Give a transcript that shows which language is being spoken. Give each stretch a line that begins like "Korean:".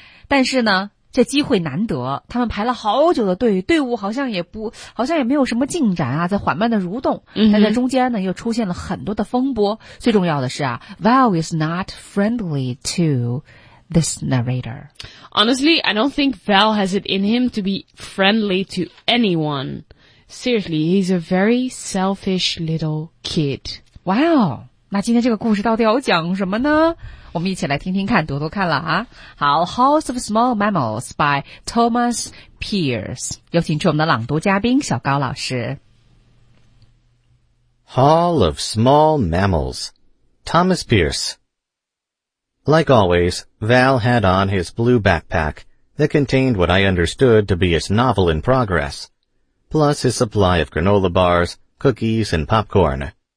Chinese: 但是呢，这机会难得，他们排了好久的队，队伍好像也没有什么进展啊，在缓慢的蠕动。 Mm-hmm. 但在中间呢，又出现了很多的风波。最重要的是啊
English: ，Val is not friendly to this narrator. Honestly, I don't think Val has it in him to be friendly to anyone. Seriously, he's a very selfish little kid. Wow.
Chinese: 那今天这个故事到底要讲什么呢？我们一起来听听看，读读看了啊。
English: 好 ,House of Small Mammals by Thomas Pierce.
Chinese: 有请出我们的朗读嘉宾小高老师。
English: Hall of Small Mammals, Thomas Pierce. Like always, Val had on his blue backpack that contained what I understood to be his novel in progress, plus his supply of granola bars, cookies, and popcorn.